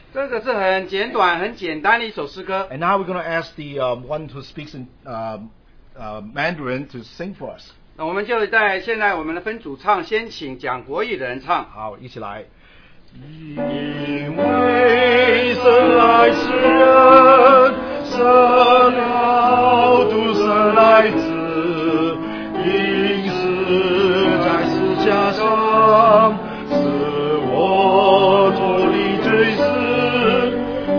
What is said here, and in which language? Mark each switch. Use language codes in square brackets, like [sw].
[zh] 这个是很简短很简单的一首诗歌。 [en] And now we're going to ask the one who speaks in Mandarin to sing for us. [zh] 那我们就在现在我们的分组唱，先请讲国语的人唱。好，一起来。因为神爱世人，神要独生来子，因死在十架上，使我脱离罪死。